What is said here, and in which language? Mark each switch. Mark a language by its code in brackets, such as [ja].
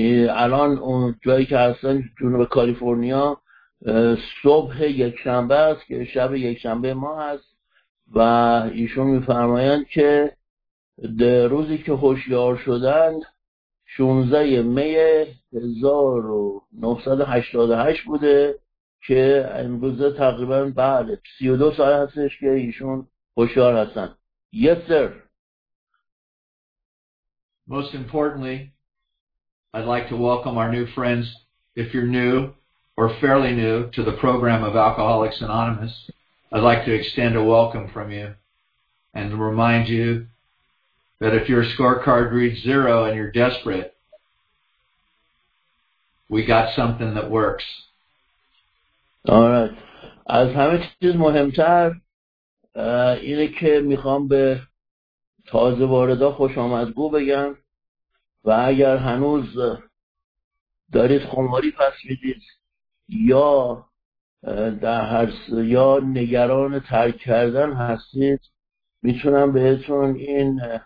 [fa] الان اون جایی که هستن جنوب کالیفرنیا صبح یک شنبه است که شب یک شنبه ما است و ایشون میفرمایند که در روزی که هوشیار شدند 16 می 1988 بوده که امروز تقریبا بعد 32 سال هستش که ایشون هوشیار هستند. [en] Yes sir. Most importantly, I'd like to welcome our new friends. If you're new or fairly new to the program of Alcoholics Anonymous, I'd like to extend a welcome from you and remind you that if your scorecard reads zero and you're desperate, we got something that works. All right. [fa] از همه چیز مهمتر اینه که میخوام به تازه واردا خوش آمدگو بگم و اگر هنوز دارید خماری پس میدید یا در هر یا نگران ترک کردن هستید، میتونم بهتون این